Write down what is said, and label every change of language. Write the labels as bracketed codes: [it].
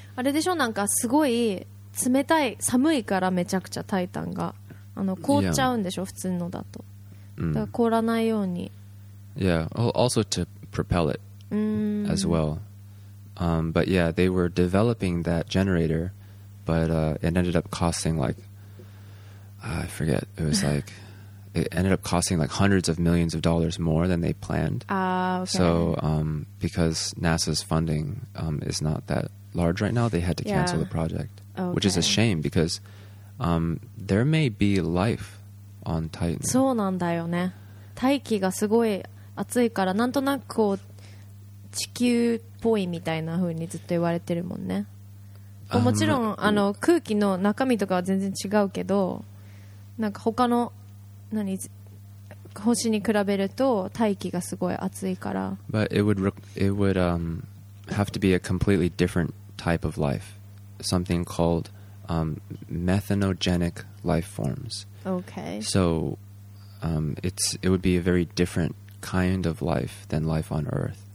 [ja] あれでしょ、なんかすごい冷たい、寒いからめちゃくちゃタイタンが。あの、凍っちゃうんでしょ、普通のだと。 Mm. だから凍らないように。 [en] Yeah, also to propel it、 mm. as well. But yeah, they were developing that generator, but it ended up costing like,I forget. It was like it ended up costing like hundreds of millions of dollars more than they planned. Okay. So because NASA's funding is not that large right now, they had to cancel the project, okay. Which is a shame because there may be life on Titan. [ja] そうなんだよね。大気がすごい熱いからなんとなくこう地球っぽいみたいな風にずっと言われてるもんね。もちろんあの空気の中身とかは全然違うけど。なんか他の何星に比べると大気がすごい熱いから。 [en] But it would have to be a completely different type of life, something called methanogenic life forms. Okay. So it would be a very different kind of life than life on Earth.